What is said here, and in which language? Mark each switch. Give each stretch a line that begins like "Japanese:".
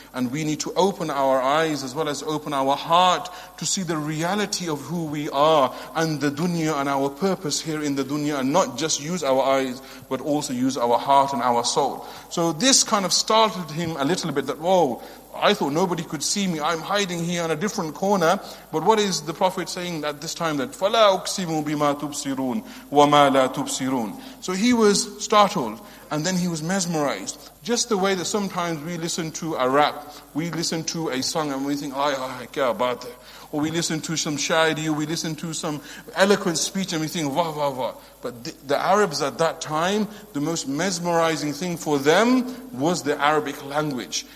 English: And we need to open our eyes as well as open our heart to see the reality of who we are and the dunya and our purpose here in the dunya, and not just use our eyes but also use our heart and our soul. So this kind of startled him a little bit, that whoa, I thought nobody could see me, I'm hiding here in a different corner. But what is the Prophet saying at this time?
Arabic: That فَلَا أُقْسِمُ بِمَا تُبْصِرُونَ وَمَا لَا تُبْصِرُونَ.
English: So he was startled and then he was mesmerized. Just the way that sometimes we listen to a rap, we listen to a song and we think, I care about that. Or we listen to some shayari, or we listen to some eloquent speech and we think, wah, wah, wah. But the Arabs at that time, the most mesmerizing thing for them was the Arabic language.